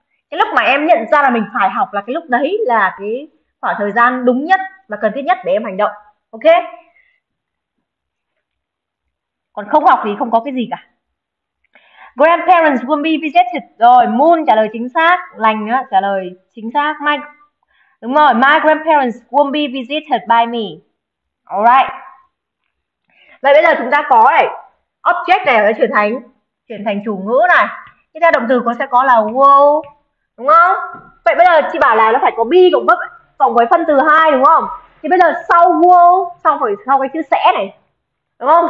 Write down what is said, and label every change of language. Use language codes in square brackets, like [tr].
[vi] Cái lúc mà em nhận ra là mình phải học là cái lúc đấy là cái khoảng thời gian đúng nhất và cần thiết nhất để em hành động. Ok. Còn không học thì không có cái gì cả. [en] Grandparents will be visited. [vi] Rồi, Moon trả lời chính xác. Lành á, trả lời chính xác. Đúng rồi, [en] my grandparents will be visited by me. Alright. [vi] Vậy bây giờ chúng ta có này. Object này nó chuyển thành chủ ngữ này. Tiếp theo động từ con sẽ có là will. Đúng không? Vậy bây giờ chị bảo là nó phải có be cộng với phân từ hai đúng không? Thì bây giờ sau will, sau cái chữ sẽ này. Đúng không?